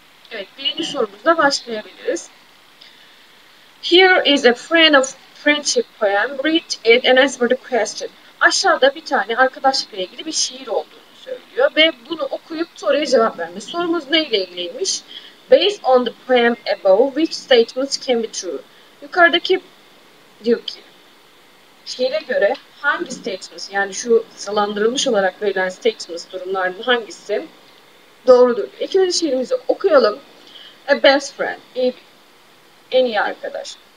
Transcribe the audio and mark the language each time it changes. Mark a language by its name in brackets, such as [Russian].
[Turkish] Evet, birinci sorumuzla başlayabiliriz. [English] Here is a friend of friendship poem. Read it and answer the question. [Turkish] Aşağıda bir tane arkadaşlıkla ilgili bir şiir olduğunu söylüyor ve bunu okuyup soruya cevap vermiş. Sorumuz neyle ilgiliymiş? [English] Based on the poem above, which statements can be true? [Turkish] Yukarıdaki diyor ki, şiire göre hangi statements, yani şu sılandırılmış olarak verilen statements durumlarının hangisi doğrudur? İlk önce şiirimizi okuyalım. [English] A best friend, [Turkish] en iyi arkadaş.